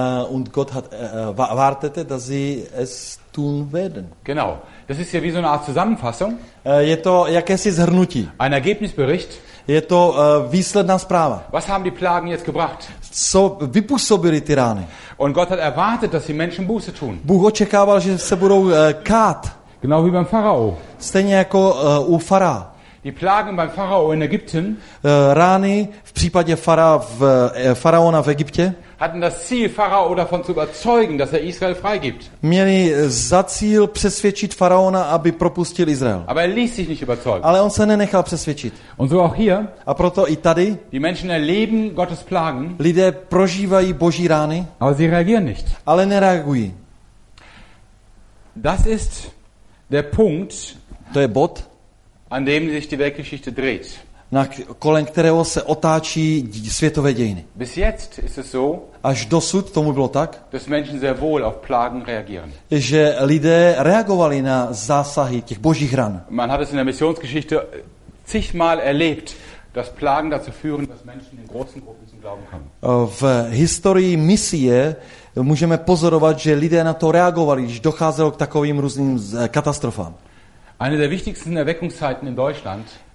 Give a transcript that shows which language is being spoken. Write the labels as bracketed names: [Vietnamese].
[German] Und Gott hat wartete, dass sie es tun werden. Genau. Das ist ja wie so eine Art Zusammenfassung. [Czech] Je to jakési shrnutí. [German] Ein Ergebnisbericht. [Czech] Je to výsledná zpráva. [German] Was haben die Plagen jetzt gebracht? [Czech] Co vypůsobili ty rány? [German] Und Gott hat erwartet, dass die Menschen Buße tun. [Czech] Bůh očekával, že se budou kát. [German] Genau wie beim Pharao. [Czech] Stejně jako u Fara. [German] Die Plagen beim Pharao in Ägypten. [Czech] Rány v případě faraona v Egyptě. [German] Hatten das Ziel, Pharao davon zu überzeugen, dass Israel freigibt. [Czech] Měli za cíl přesvědčit faraona, aby propustil Izrael. [German] Aber er ließ sich nicht überzeugen. [Czech] Ale on se nenechal přesvědčit. [German] Und so auch hier. [Czech] A proto i tady. [German] Die Menschen erleben Gottes Plagen. [Czech] Lidé prožívají Boží rány. [German] Aber sie reagieren nicht. [Czech] Ale nereagují. [German] Das ist der Punkt. [Czech] To je bod, [German] an dem sich die Weltgeschichte dreht. [Czech] Na kolem kterého se otáčí světové dějiny. [German] Bis jetzt ist es so, [Czech] až dosud tomu bylo tak, [German] dass Menschen sehr wohl auf Plagen reagieren. [Czech] Že lidé reagovali na zásahy těch božích ran. [German] Man hat es in der Missionsgeschichte zigmal erlebt, dass Plagen dazu führen, dass Menschen in großen Gruppen zum Glauben kommen. [Czech] V historii misie můžeme pozorovat, že lidé na to reagovali, když docházelo k takovým různým katastrofám. [German] Eine der wichtigsten Erweckungszeiten in Deutschland.